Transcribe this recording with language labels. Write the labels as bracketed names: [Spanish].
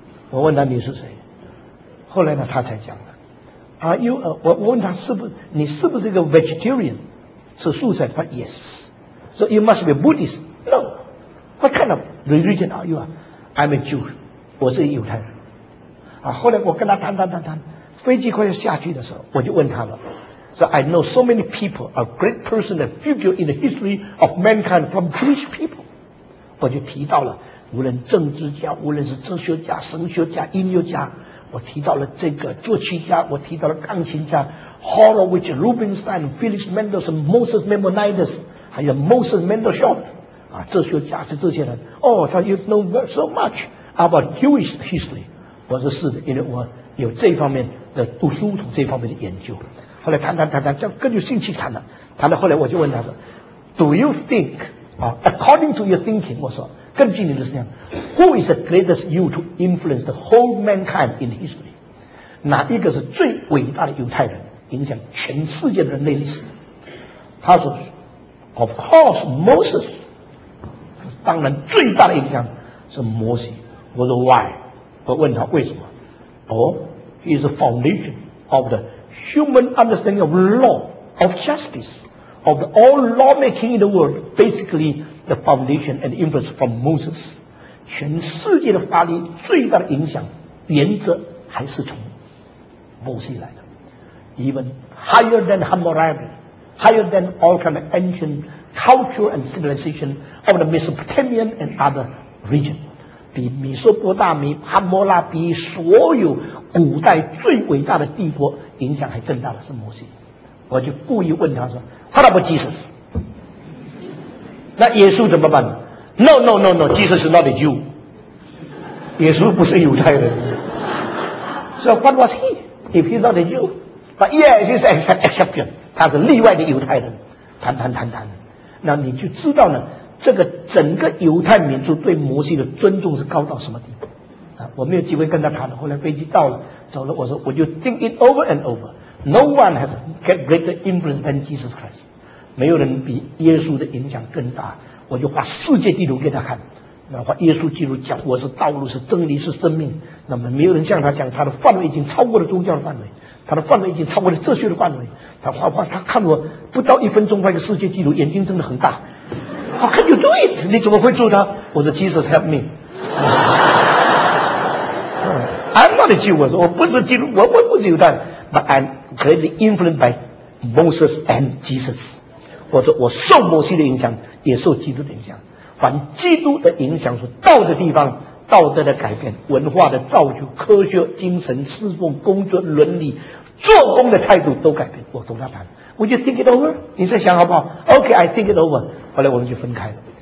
[Chinese] 我问他你是谁，后来呢他才讲了， [English] Are you a, [Chinese] 我问他是不是你是不是一个 vegetarian 吃素菜，他 Yes。 [English] So you must be a Buddhist? No。 What kind of religion are you? I'm a Jew。 [Chinese] 我是犹太人啊。后来我跟他谈谈谈谈，飞机快要下去的时候，我就问他了。 [English] So I know so many people, a great person, a figure in the history of mankind from Jewish people. [Chinese] 我就提到了，无论政治家，无论是哲学家、神学家、音乐家，我提到了这个作曲家，我提到了钢琴家 Horowitz, Rubinstein, Felix Mendelssohn, Moses Maimonides, 还有 Moses Mendelssohn, 啊，哲学家是这些人。 [English] Oh, so you know so much about Jewish history. [Chinese] 我说是的，因为我有这方面的读书和这方面的研究。后来谈谈谈谈，就更有兴趣谈了。谈了后来我就问他说 [English] Do you think according to your thinking, [Chinese] 我说根据你的思想， [English] Who is the greatest Jew to influence the whole mankind in history? [Chinese] 哪一个是最伟大的犹太人影响全世界的人类历史？他说 [English] Of course Moses。 [Chinese] 当然最大的影响是摩西。我说 [English] Why? [Chinese] 我问他为什么。 [English] Oh, he is the foundation of the human understanding of law, of justice, of all lawmaking in the world. Basically, the foundation and influence from Moses. [Chinese] 全世界的法律最大的影响原则还是从摩西来的。 [English] Even higher than Hammurabi, higher than all kind of ancient culture and civilization of the Mesopotamian and other regions. [Chinese] 比米索波大米、汉摩拉比所有古代最伟大的帝国影响还更大的是摩西。我就故意问他说 [English] What about Jesus? [Chinese] 那耶稣怎么办？ [English] No, no, no, no, Jesus is not a Jew. [Chinese] 耶稣不是犹太人。 [English] So what was he? If he's not a Jew? But yes, he's an exception. [Chinese] 他是例外的犹太人。谈谈谈谈，那你就知道呢，这个整个犹太民族对摩西的尊重是高到什么地步啊。我没有机会跟他谈了，后来飞机到了走了，我说 [English] Would you think it over and over? No one has get greater influence than Jesus Christ. [Chinese] 没有人比耶稣的影响更大。我就画世界地图给他看，那画耶稣基督讲我是道路是真理是生命，那么没有人向他讲他的范围已经超过了宗教的范围，他的范围已经超过了哲学的范围。他画画他看我不到一分钟画一个世界地图，眼睛睁得很大。 [English] How can you do it? [Chinese] 你怎么会做它？我说 [English] Jesus help me. I'm not a Jew. [Chinese] 我说我不是基督，我不是犹太。 [English] But I'm greatly influenced by Moses and Jesus. [Chinese] 我说我受摩西的影响，也受基督的影响。凡基督的影响所到的地方，道德的改变，文化的造就，科学精神，侍奉工作伦理，做工的态度都改变。我跟他谈， [English] Would you think it over? [Chinese] 你再想好不好？ [English] OK, I think it over. [Chinese] 后来我们就分开了。